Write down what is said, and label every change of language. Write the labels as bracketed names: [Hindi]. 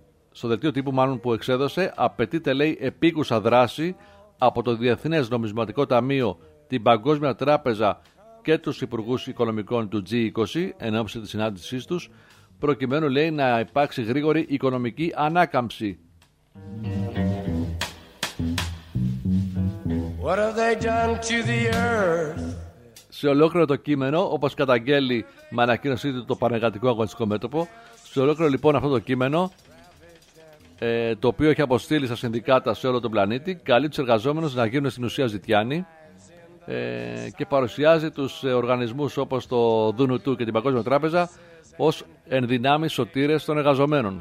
[Greek] στο δελτίο τύπου μάλλον που εξέδωσε, απαιτείται, λέει, επίκουσα δράση από το Διεθνές Νομισματικό Ταμείο, την Παγκόσμια Τράπεζα και τους Υπουργούς Οικονομικών του G20 εν ώψη της συνάντησής τους, προκειμένου, λέει, να υπάρξει γρήγορη οικονομική ανάκαμψη. [English] What have they done to the earth? [Greek] Σε ολόκληρο το κείμενο, όπως καταγγέλει με ανακοίνωσή του το Πανεργατικό Αγωνιστικό Μέτωπο, σε ολόκληρο λοιπόν αυτό το κείμενο, το οποίο έχει αποστείλει στα συνδικάτα σε όλο τον πλανήτη, καλεί τους εργαζόμενους να γίνουν στην ουσία ζητιάνοι και παρουσιάζει τους οργανισμούς όπως το ΔΝΤ και την Παγκόσμια Τράπεζα ως ενδυνάμεις σωτήρες των εργαζομένων.